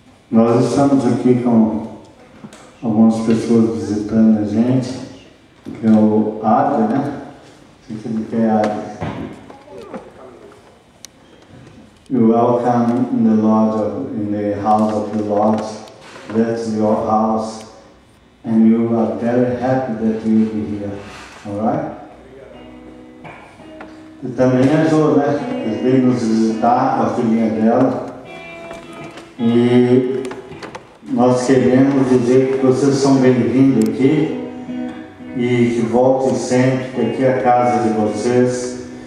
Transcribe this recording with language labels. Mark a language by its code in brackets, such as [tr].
[pt] Nós estamos aqui com algumas pessoas visitando a gente, que é o Adri, né? Sei que ele quer Adri. [en] You welcome in the Lord, in the house of the Lord. That's your house. And you are very happy that you are here. Alright? [pt] E também a Jo, né? Que veio nos visitar com a filhinha dela. E nós queremos dizer que vocês são bem-vindos aqui e que voltem sempre, que aqui é a casa de vocês.